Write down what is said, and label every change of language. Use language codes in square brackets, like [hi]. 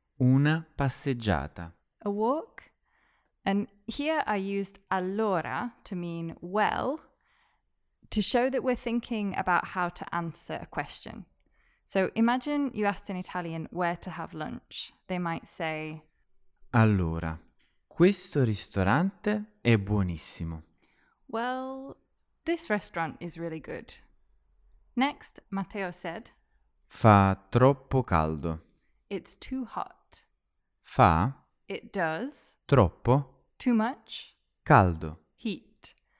[it] Una passeggiata. [en] A walk? And here I used allora to mean well, to show that we're thinking about how to answer a question. So imagine you asked an Italian where to have lunch. They might say, [it] allora, questo ristorante è buonissimo. [en] Well, this restaurant is really good. Next, Matteo said, [it] fa troppo caldo. [en] It's too hot. [it] Fa, [en] it does, [it] troppo, [en] too much, [it] caldo, [en] heat.